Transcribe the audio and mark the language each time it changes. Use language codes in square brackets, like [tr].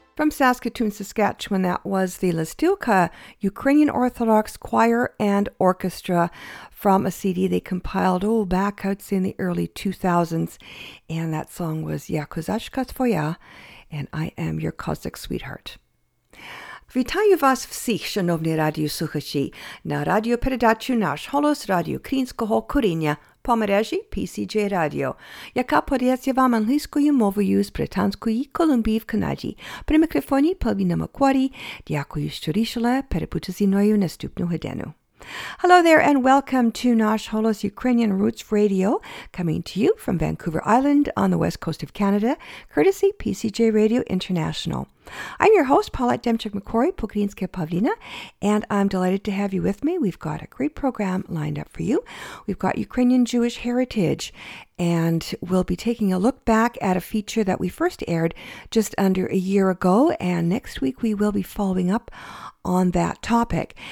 [en] Saskatoon, Saskatchewan, that was the Listilka Ukrainian Orthodox Choir and Orchestra from a CD they compiled, oh, back out in the early 2000s. And that song was Yakuzashka Tvoya, and I am your Cossack sweetheart. [uk] Вітаю вас всіх, шановні радіослухачі, на радіопередачу «Наш голос» радіо Українського коріння по мережі PCJ Radio, яка подається вам англійською мовою з Британської Колумбії в Канаді. При мікрофоні Павіна Макварі. Дякую, що рішили перебути зі мною наступну годину. [en] Hello there and welcome to Nash Holos Ukrainian Roots Radio, coming to you from Vancouver Island on the west coast of Canada, courtesy PCJ Radio International. I'm your host, Paulette Demchuk-McCory, Pokrinska Pavlina, and I'm delighted to have you with me. We've got a great program lined up for you. We've got Ukrainian Jewish heritage, and we'll be taking a look back at a feature that we first aired just under a year ago, and next week we will be following up on that topic.